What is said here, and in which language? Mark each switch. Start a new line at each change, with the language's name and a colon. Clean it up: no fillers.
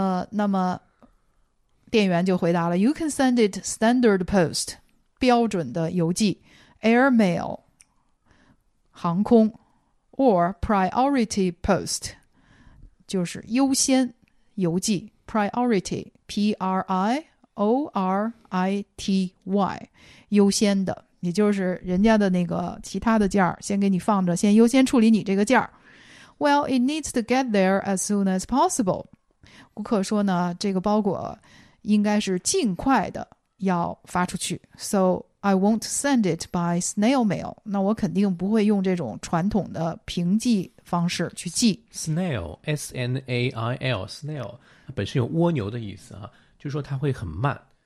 Chinese: 那么店员就回答了 ：
English: You can send it standard post，
Chinese: 标准的邮寄 ；air mail， 航空 ；
English: or priority post，
Chinese: 就是优先邮寄 ，priority P R I O R I T Y， 优先的。也就是人家的那个其他的件儿先给你放着，先优先处理你这个件儿。
English: Well, it needs to get there as soon as possible.
Chinese: 顾客说呢，这个包裹应该是尽快的要发出去。
English: So I won't send it by snail mail.
Chinese: 那我肯定不会用这种传统的平寄方式去寄。 Snail, S-N-A-I-L, snail 本身有蜗牛的意思啊，就是说它会很慢。